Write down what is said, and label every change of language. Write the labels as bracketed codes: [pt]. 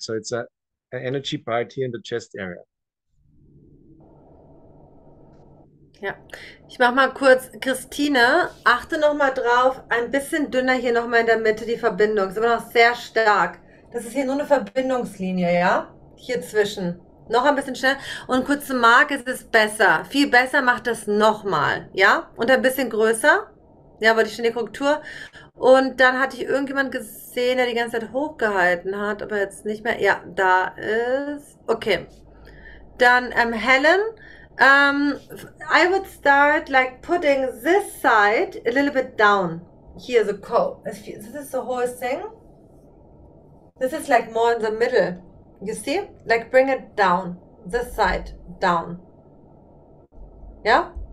[en] So it's a energy part here in the chest area. [de] Ja, ich mach mal kurz. Christine, achte noch mal drauf, ein bisschen dünner hier noch mal in der Mitte die Verbindung. Ist immer noch sehr stark. Das ist hier nur eine Verbindungslinie, ja? Hier zwischen. Noch ein bisschen schnell. Und kurz zu Marc, es ist besser. Viel besser macht das noch mal, ja? Und ein bisschen größer. Ja, weil ich schon die Korrektur. Und dann hatte ich irgendjemand gesehen, der die ganze Zeit hochgehalten hat, aber jetzt nicht mehr. Ja, da ist. Okay. Dann Helen. [en] I would start like putting this side a little bit down. Here, the co. This is the whole thing. This is like more in the middle. You see? Like bring it down. This side down. Yeah?